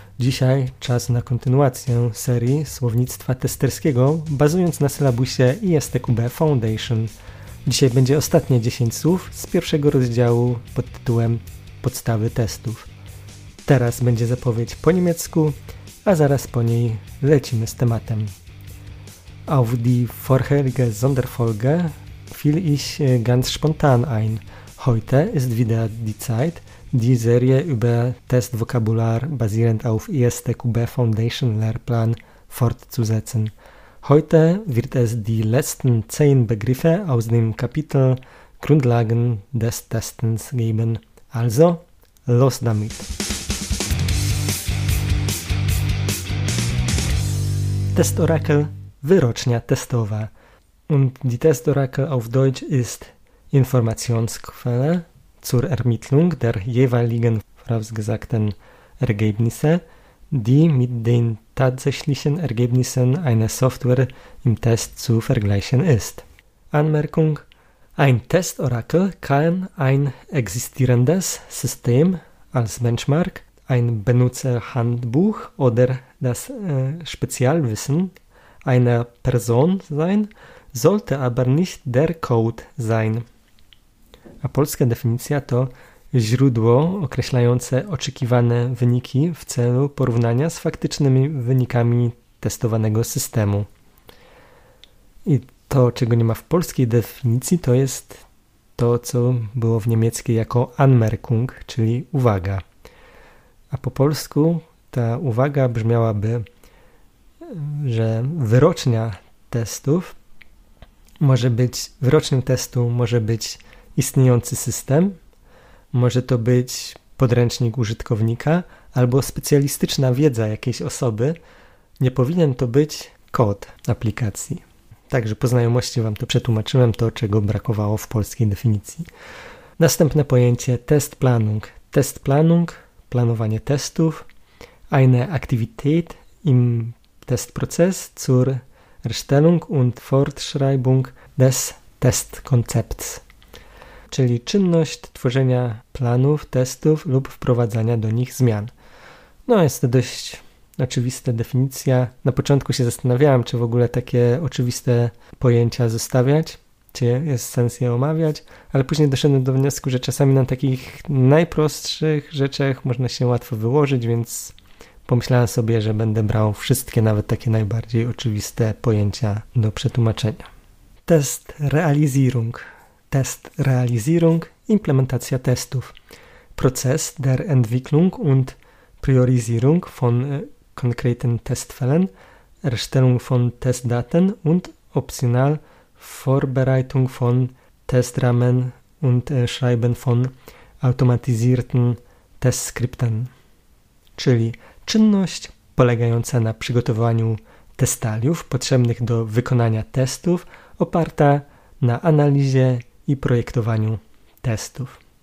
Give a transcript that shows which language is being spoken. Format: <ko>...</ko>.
<pl>Dzisiaj czas na kontynuację serii słownictwa testerskiego, bazując na sylabusie ISTQB Foundation. Dzisiaj będzie ostatnie 10 słów z pierwszego rozdziału pod tytułem Podstawy testów. Teraz będzie zapowiedź po niemiecku, a zaraz po niej lecimy z tematem.</pl> <de>Auf die vorherige Sonderfolge fiel ich ganz spontan ein. Heute ist wieder die Zeit, die Serie über Testvokabular basierend auf ISTQB Foundation Lehrplan fortzusetzen. Heute wird es die letzten 10 Begriffe aus dem Kapitel Grundlagen des Testens geben. Also, los damit!</de> <pl>Test Oracle, wyrocznia testowa.</pl> <de>Und die Test Oracle auf Deutsch ist Informationsquelle zur Ermittlung der jeweiligen vorausgesagten Ergebnisse, die mit den tatsächlichen Ergebnissen einer Software im Test zu vergleichen ist. Anmerkung: Ein Test Oracle kann ein existierendes System als Benchmark, ein Benutzerhandbuch oder das Spezialwissen einer Person sein, sollte aber nicht der Code sein.</de> <pl>A polska definicja to źródło określające oczekiwane wyniki w celu porównania z faktycznymi wynikami testowanego systemu. I to, czego nie ma w polskiej definicji, to jest to, co było w niemieckiej jako Anmerkung, czyli uwaga. A po polsku ta uwaga brzmiałaby, że wyrocznia testów może być, wyrocznią testu może być istniejący system, może to być podręcznik użytkownika albo specjalistyczna wiedza jakiejś osoby. Nie powinien to być kod aplikacji. Także po znajomości Wam to przetłumaczyłem, to czego brakowało w polskiej definicji. Następne pojęcie, Testplanung.</pl> <de>Testplanung,</de> <pl>planowanie testów,</pl> <de>eine Aktivität im Testprozess zur Erstellung und Fortschreibung des Testkonzepts.</de> <pl>Czyli czynność tworzenia planów, testów lub wprowadzania do nich zmian. No jest to dość oczywista definicja. Na początku się zastanawiałem, czy w ogóle takie oczywiste pojęcia zostawiać, czy jest sens je omawiać, ale później doszedłem do wniosku, że czasami na takich najprostszych rzeczach można się łatwo wyłożyć, więc pomyślałem sobie, że będę brał wszystkie, nawet takie najbardziej oczywiste pojęcia do przetłumaczenia.</pl> <de>Test Realisierung. Test Realisierung,</de> <pl>implementacja testów.</pl> <de>Prozess der Entwicklung und Priorisierung von konkreten Testfällen, Erstellung von Testdaten und optional Vorbereitung von Testrahmen und Schreiben von automatisierten Testskripten.</de> <pl>Czyli czynność polegająca na przygotowaniu testaliów potrzebnych do wykonania testów oparta na analizie i projektowaniu testów.</pl>